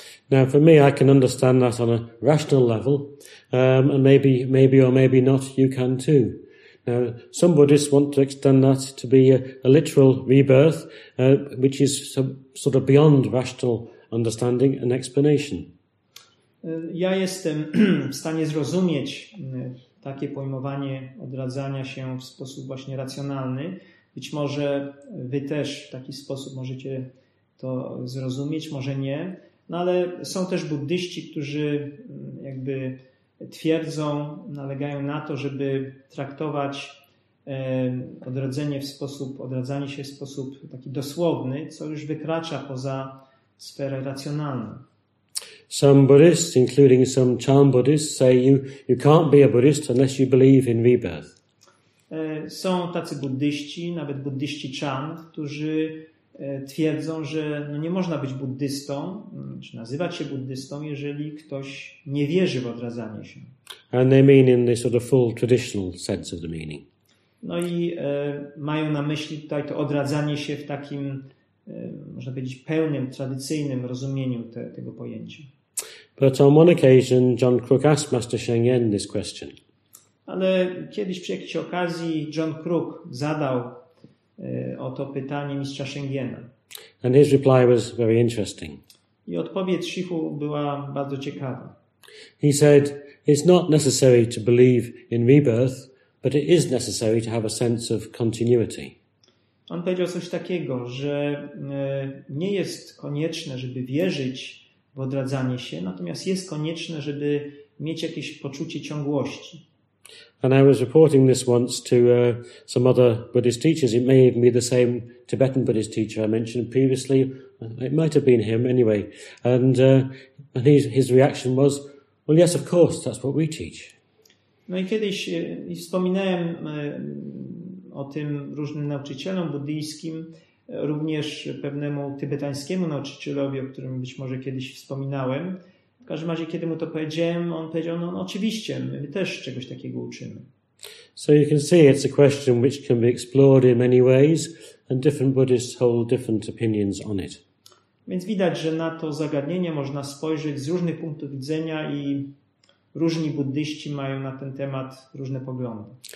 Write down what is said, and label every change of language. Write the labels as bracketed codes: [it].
[en] Now for me I can understand that on a rational level, and maybe or maybe not you can too. Now some Buddhists want to extend that to be a literal rebirth, which is sort of beyond rational understanding and explanation. [pl] Ja jestem w stanie zrozumieć takie pojmowanie odradzania się w sposób właśnie racjonalny. Być może wy też w taki sposób możecie to zrozumieć, może nie. No ale są też buddyści, którzy jakby twierdzą, nalegają na to, żeby traktować odradzanie się w sposób taki dosłowny, co już wykracza poza sferę racjonalną. [en] Some Buddhists, including some Chan Buddhists, say you can't be a Buddhist unless you believe in rebirth. [pl] Są tacy buddyści, nawet buddyści Chan, którzy twierdzą, że no nie można być buddystą, czy nazywać się buddystą, jeżeli ktoś nie wierzy w odradzanie się. [en] And they mean in the sort of full traditional sense of the meaning. [pl] No i mają na myśli tutaj to odradzanie się w takim, można powiedzieć, pełnym, tradycyjnym rozumieniu tego pojęcia. [en] But on one occasion John Crook asked Master Sheng Yen this question. [pl] Ale kiedyś przy jakiejś okazji John Crook zadał o to pytanie mistrza Sheng Yena. [en] And his reply was very interesting. [pl] I odpowiedź Shifu była bardzo ciekawa. [en] He said, it's not necessary to believe in rebirth, but it is necessary to have a sense of continuity. [pl] On powiedział coś takiego, że nie jest konieczne, żeby wierzyć w odradzanie się, natomiast jest konieczne, żeby mieć jakieś poczucie ciągłości. [en] And I was reporting this once to some other Buddhist teachers. It may even be the same Tibetan Buddhist teacher I mentioned previously. It might have been him anyway. And his reaction was, well, yes, of course, that's what we teach. [pl] No i kiedyś wspominałem o tym różnym nauczycielom buddyjskim, również pewnemu tybetańskiemu nauczycielowi, o którym być może kiedyś wspominałem. W każdym razie, kiedy mu to powiedziałem, on powiedział, no oczywiście, my też czegoś takiego uczymy. [en] So you can see it's a question which can be explored in many ways and different Buddhists hold different opinions on it. [pl] Więc widać, że na to zagadnienie można spojrzeć z różnych punktów widzenia i różni buddyści mają na ten temat różne poglądy.